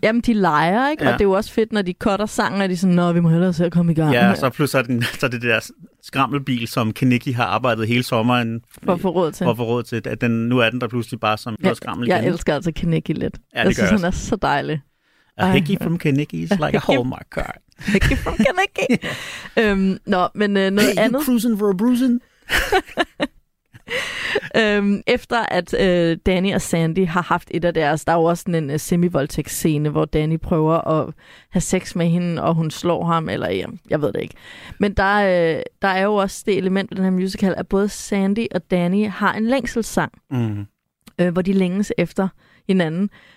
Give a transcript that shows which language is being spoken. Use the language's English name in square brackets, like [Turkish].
[Danish] Jamen, de leger, ikke? Ja. Og det er jo også fedt, når de cutter sangen, og de er sådan, nå, vi må hellere se at komme i gang. Ja, og så pludselig så er det der skrammelbil, som Kenicki har arbejdet hele sommeren for at få råd til. At den, nu er den der pludselig bare som noget skrammel igen. Jeg elsker altså Kenicki lidt. Ja, det jeg synes, han er så dejlig. [English] Hickey from Kenicki is like a hallmark card. [Danish] Hickey from Kenicki. Nå, men noget [English] hey, [Danish] andet. [English] Hey, you cruising for a bruising? [Danish] efter at Danny og Sandy har haft et af deres, der er jo også sådan en semi-voldtægt scene, hvor Danny prøver at have sex med hende, og hun slår ham, eller jeg ved det ikke. Men der er jo også det element i den her musical, at både Sandy og Danny har en længselssang, hvor de længes efter hinanden.